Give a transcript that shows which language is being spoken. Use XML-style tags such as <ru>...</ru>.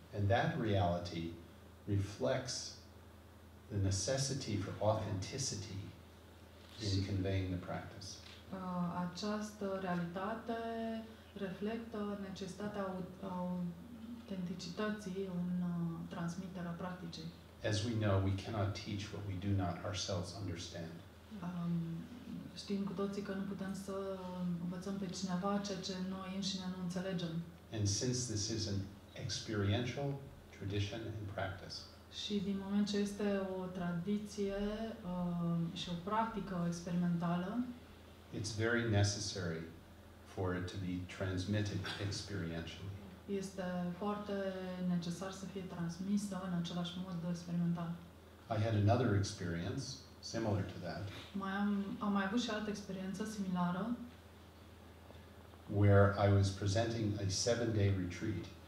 <en>And that reality reflects the necessity for authenticity in conveying the practice.</en> <ro>Această realitate reflectă necesitatea autenticității în transmiterea practicii.</ro> <en>As we know, we cannot teach what we do not ourselves understand.</en> <ro>Știm cu toții că nu putem să învățăm pe cineva ceea ce noi înșine nu înțelegem.</ro> <en>And since this is an experiential tradition and practice.</en> <ro>Și din moment ce este o tradiție și o practică experimentală,</ro> <en>it's very necessary for it to be transmitted experientially.</en> <ro>Este foarte necesar să fie transmisă în același mod experimental.</ro> <en>I had another experience similar to that.</en> <ro>Am mai avut și altă experiență similară.</ro> <en>Where I was presenting a 7-day retreat.</en>